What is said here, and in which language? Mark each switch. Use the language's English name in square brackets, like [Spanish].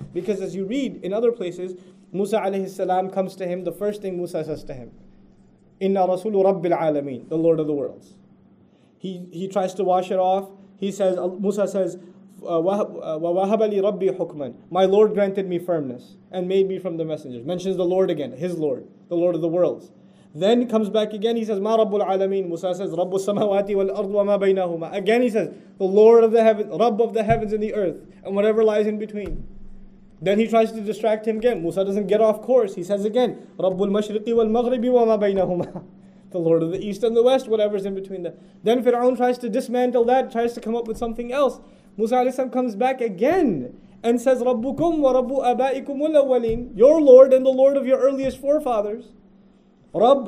[English] Because as you read in other places, Musa alayhi salam comes to him, the first thing Musa says to him, [Arabic] إِنَّا رَسُولُ رَبِّ الْعَالَمِينَ, [English] the Lord of the worlds. He tries to wash it off. He says, Musa says, [Arabic] وَوَهَبَ لِي رَبِّي حُكْمًا, [English] my Lord granted me firmness and made me from the messengers. Mentions the Lord again, his Lord, the Lord of the worlds. Then comes back again, he says, [Arabic] مَا رَبُّ الْعَالَمِينَ. [English] Musa says, [Arabic] رَبُّ السَّمَوَاتِ وَالْأَرْضُ وَمَا بَيْنَهُمَا. [English] Again he says, the Lord of the heavens, Rabb of the heavens and the earth and whatever lies in between. Then he tries to distract him again. Musa doesn't get off course. He says again, [Arabic] رَبُّ الْمَشْرِقِ وَالْمَغْرِبِ وَمَا بَيْنَهُمَا, [English] the Lord of the East and the West, whatever's in between them. Then Fir'aun tries to dismantle that, tries to come up with something else. Musa alayhi salam comes back again and says, [Arabic] رَبُّكُمْ وَرَبُّ أَبَائِكُمُ الْأَوَّلِينَ, [English] your Lord and the Lord of your earliest forefathers. Rab.